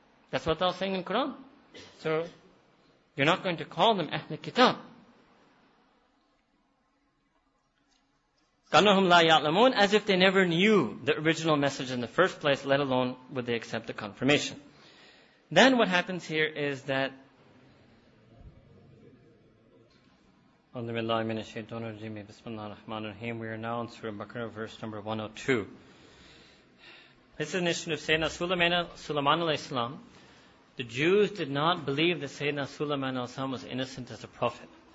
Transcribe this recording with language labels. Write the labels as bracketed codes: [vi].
[en] That's what Allah is saying in Quran. So, you're not going to call them Ahl-Kitab. [ar] كَانَهُمْ لَا يَعْلَمُونَ, [en] as if they never knew the original message in the first place, let alone would they accept the confirmation. Then what happens here is that [ar] أَنْدُ بِاللَّهِ مِنَ الشَّيْطَانِ الرَّجِيمِ بِسْمِ اللَّهِ الرَّحْمَنِ الرَّحِيمِ. [en] We are now in Surah Baqarah, verse number 102. This is an issue of Sayyidina Sulaiman alayhi salam. The Jews did not believe that Sayyidina Sulaiman alayhi salam was innocent as a prophet.